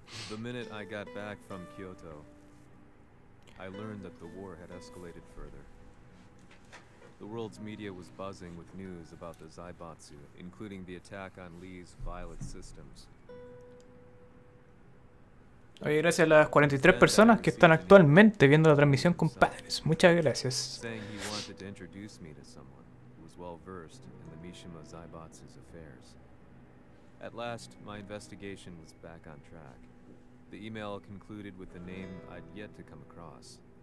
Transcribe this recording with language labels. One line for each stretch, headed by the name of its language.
English: The minute I got back from Kyoto, I learned that the war had escalated further. The world's media was buzzing with news about the Zaibatsu, including the attack on Lee's Violet systems.
Spanish: Oye, gracias a las 43 personas que están actualmente viendo la transmisión, compadres. Muchas gracias.
English: Saying he wanted to introduce me to someone who was well versed in the Mishima Zaibatsu's affairs. At last, my investigation was back on track. The email concluded with a name I'd yet to come across.